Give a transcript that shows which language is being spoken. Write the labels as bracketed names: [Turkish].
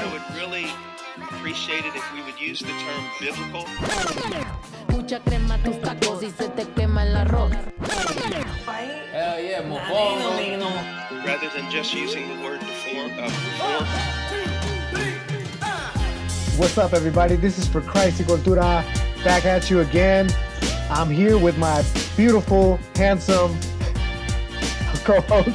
[English] I would really appreciate it if we would use the term biblical. [Spanish] Mucha crema tus tacos y se te quema el arroz. [English] Hell yeah, mofongo. Rather than just using the word before, What's up, everybody? This is For Christ y Cultura, back at you again. I'm here with my beautiful, handsome co-host.